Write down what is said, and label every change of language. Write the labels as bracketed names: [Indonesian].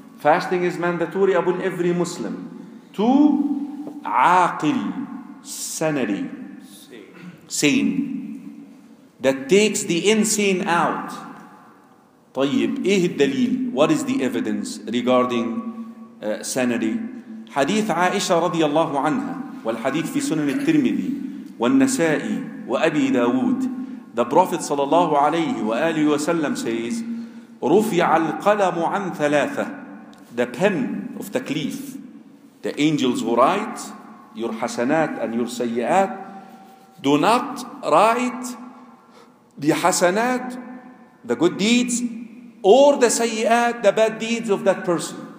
[English] Fasting is mandatory upon every Muslim. Two, عاقل, sanity, sane. That takes the insane out. [Arabic] طيب, إيه الدليل? [English] What is the evidence regarding sanity? [Arabic] حديث عائشة رضي الله عنها والحديث في سنن الترمذي والنسائي وأبي داود. [English] The Prophet [Arabic] صلى الله عليه وآله وسلم [English] says, [Arabic] رفع القلم عن ثلاثة. [English] The pen of taklif, the angels who write your hasanat and your sayyat, do not write the hasanat, the good deeds, or the sayyat, the bad deeds of that person.